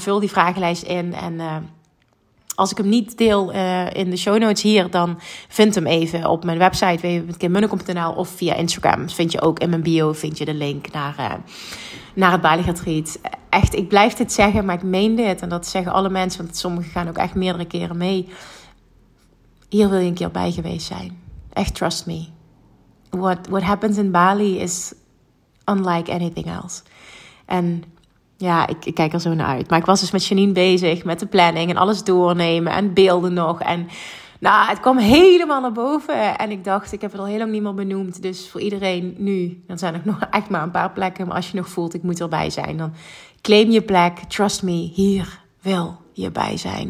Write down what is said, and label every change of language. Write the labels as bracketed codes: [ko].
[nl] Vul die vragenlijst in. En als ik hem niet deel in de show notes hier, dan vind hem even op mijn website www.kimmunnekom.nl of via Instagram. Dat vind je ook in mijn bio, vind je de link naar het Bali Retreat. Echt, ik blijf dit zeggen, maar ik meen dit. En dat zeggen alle mensen, want sommigen gaan ook echt meerdere keren mee. Hier wil je een keer bij geweest zijn. Echt, [en] trust me. What happens in Bali is unlike anything else. [nl] En ja, ik kijk er zo naar uit. Maar ik was dus met Janine bezig met de planning en alles doornemen en beelden nog. En nou, het kwam helemaal naar boven. En ik dacht, ik heb het al heel lang niet meer benoemd. Dus voor iedereen nu, dan zijn er nog echt maar een paar plekken. Maar als je nog voelt, ik moet erbij zijn, dan claim je plek. [en] Trust me, hier wil je bij zijn.